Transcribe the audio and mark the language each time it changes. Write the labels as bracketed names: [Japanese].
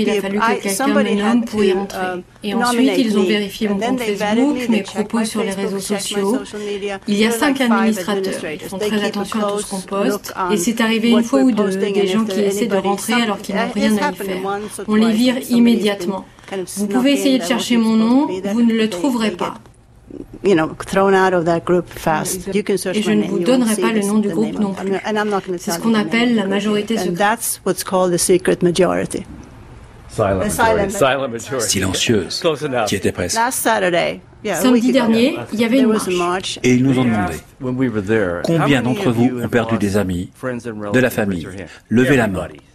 [French] Il a fallu que quelqu'un me nomme pour y rentrer. Et ensuite, ils ont vérifié mon compte Facebook, mes propos sur les réseaux sociaux. Il y a 5 administrateurs. Ils font très attention à tout ce qu'on poste. Et c'est arrivé une fois ou deux, des gens qui essaient de rentrer alors qu'ils n'ont rien à y faire. On les vire immédiatement. Vous pouvez essayer de chercher mon nom, vous ne le trouverez pas. [English] You know, thrown out of that group fast. You can search. [French] Et je ne vous donnerai pas le nom du groupe non plus. C'est ce qu'on appelle la majorité secrète. [English] That's what's called the secret majority. [French] Silencieuse. Qui était presque. [English] Last Saturday. [French] Samedi dernier, il y avait une marche. Et ils nous ont demandé, combien d'entre vous ont perdu des amis, de la famille? Levez la main.